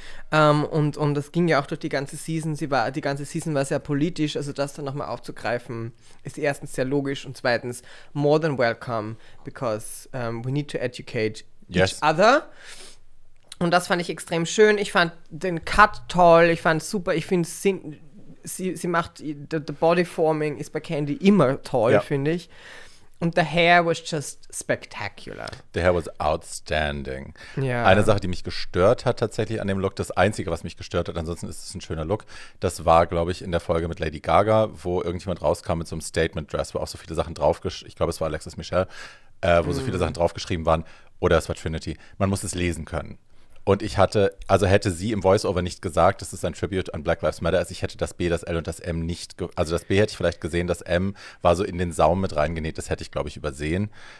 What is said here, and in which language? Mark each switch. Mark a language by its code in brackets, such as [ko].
[de] Und das ging ja auch durch die ganze Season. Die ganze Season war sehr politisch, also das dann nochmal aufzugreifen, ist erstens sehr logisch und zweitens [en] more than welcome, because we need to educate each other. [de] Und das fand ich extrem schön. Ich fand den Cut toll, ich fand es super, ich finde es Sie macht, [en] the body forming [de] ist bei Candy immer toll, finde ich. [en] Und the hair was just spectacular. The hair was outstanding. [de] Ja. Eine Sache, die mich gestört hat tatsächlich an dem Look, das Einzige, was mich gestört hat, ansonsten ist es ein schöner Look, das war, glaube ich, in der Folge mit Lady Gaga, wo irgendjemand rauskam mit so einem Statement-Dress, wo auch so viele Sachen ich glaube, es war Alexis Michelle, wo so viele Sachen draufgeschrieben waren, oder es war Trinity. Man muss es lesen können. Und ich hätte sie im Voiceover nicht gesagt, das ist ein Tribute an Black Lives Matter, also ich hätte das B, das L und das M nicht, also das B hätte ich vielleicht gesehen, das M war so in den Saum mit reingenäht, das hätte ich, glaube ich, übersehen.